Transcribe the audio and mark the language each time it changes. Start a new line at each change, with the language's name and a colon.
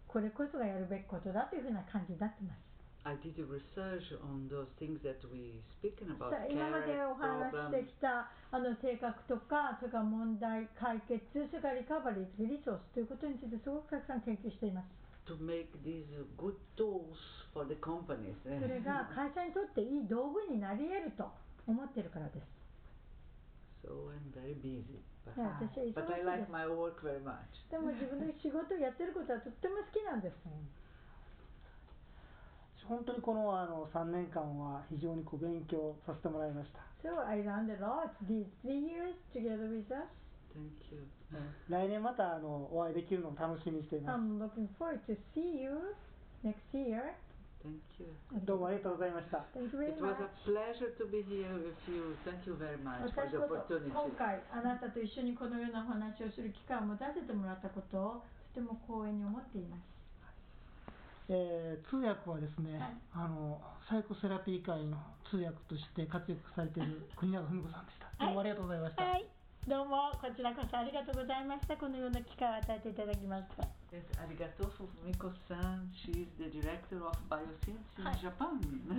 Japanese: これこそがやるべきことだというふうな感じになってます。
English: I did research on those things that we speaking about.
Japanese: 今までお話してきた性格とか、それから問題解決、それからリカバリー、リソースということについてすごくたくさん研究しています。
English: To make these good tools for the companies.
Japanese: それが会社にとっていい道具になり得ると思ってるからです。
English: So I'm very busy.
Japanese: いや私は忙しいです。
English: But I like my work very much.
Japanese: でも自分の仕事をやってることはとっても好きなんです。本当にこの3年間は非常にこう勉強させてもらいました。
English: So I learned a lot these 3 years together with us. Thank you.
Japanese: 来年またお会いできるのを楽しみにしています。
English: I'm looking forward to see you next year. Thank you.
Japanese: どうもありがとうございました。
English: Thank you very much. It was a pleasure to be here with you. Thank you very much for the opportunity.
Japanese: 今回あなたと一緒にこのような話をする機会を持たせてもらったことをとても光栄に思っています。通訳はですね、はい、サイコセラピー界の通訳として活躍されている国永文子さんでした。どうもありがとうございました。はい、どうもこちらこそありがとうございました。このような機会を与えていただきました。
English: Yes, arigato Fumiko-san. She is the director of Biosynthesis in Japan.